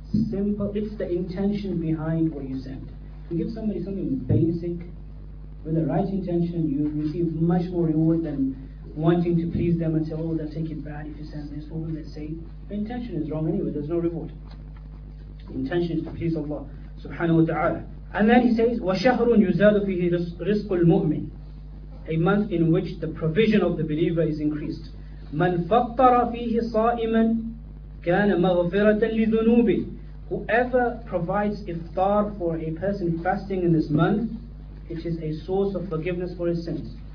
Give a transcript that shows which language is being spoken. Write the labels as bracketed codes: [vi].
[en] Simple, it's the intention behind what you send. You give somebody something basic, with the right intention, you receive much more reward than wanting to please them and say, oh, they'll take it bad if you send this, what will they say? The intention is wrong anyway, there's no reward. The intention is to please Allah subhanahu wa ta'ala. And then he says, [ar] وَشَهْرٌ يُزَادُ فِيهِ رِزْقُ الْمُؤْمِنِ. [en] A month in which the provision of the believer is increased. [ar] مَنْ فَطَّرَ فِيهِ صَائِمًا كَانَ مَغْفِرَةً لِذُنُوبِهِ. [en] Whoever provides iftar for a person fasting in this month, it is a source of forgiveness for his sins.